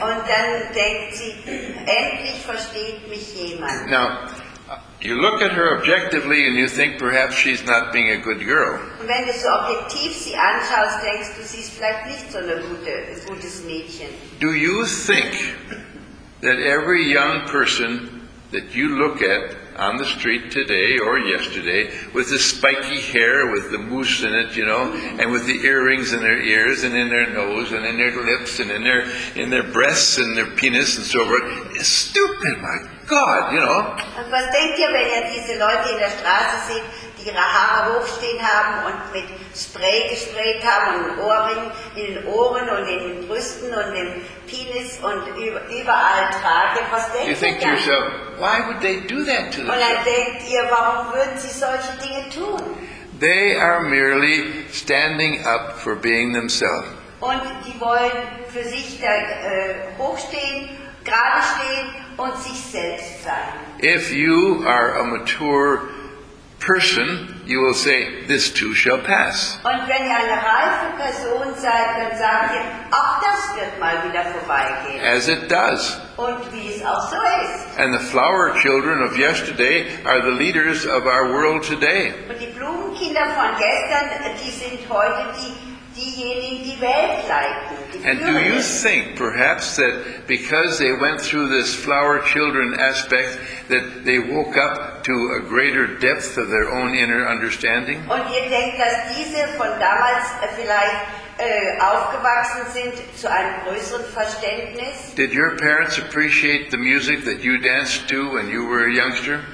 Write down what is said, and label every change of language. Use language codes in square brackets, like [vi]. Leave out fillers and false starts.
[de] Und dann denkt sie, endlich versteht mich jemand. [en] Now, you look at her objectively and you think perhaps she's not being a good girl. [de] Und wenn du so objektiv sie anschaust, denkst du, sie ist vielleicht nicht so ein gutes Mädchen. [en] Do you think that every young person that you look at on the street today or yesterday with the spiky hair with the mousse in it, you know, and with the earrings in their ears and in their nose and in their lips and in their breasts and their penis and so forth, it's stupid, my God, you know. [de] Und was denkt ihr, wenn ihr diese Leute in der Straße seht, die ihre Haare hochstehen haben und mit Spray gesprayt haben und in den Ohren und in den Brüsten und im Penis und überall tragen, was denkt ihr? [en] You think to yourself, why would they do that to them? [de] Und dann denkt ihr, warum würden sie solche Dinge tun? [en] They are merely standing up for being themselves. [de] Und die wollen für sich da hochstehen, gerade stehen und sich selbst sein. [en] If you are a mature person, you will say, this too shall pass. [de] Und wenn ihr eine reife Person seid, dann sagt ihr, auch das wird mal wieder vorbeigehen. [en] As it does. [de] Und wie es auch so ist. [en] And the flower children of yesterday are the leaders of our world today. [de] Und die Blumenkinder von gestern, die sind heute diejenigen, die Welt leiten. [en] And do you think, perhaps, that because they went through this flower children aspect, that they woke up to a greater depth of their own inner understanding? [de] Und ihr denkt, dass diese von damals vielleicht aufgewachsen sind zu einem größeren Verständnis? [en] Did your parents appreciate the music that you danced to when you were a youngster?